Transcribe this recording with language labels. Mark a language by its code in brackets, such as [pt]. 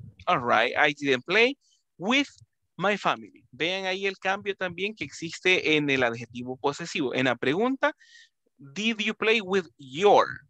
[en] All right, I didn't play with my family. [es] Vean ahí el cambio también que existe en el adjetivo posesivo. En la pregunta, [en] did you play with your?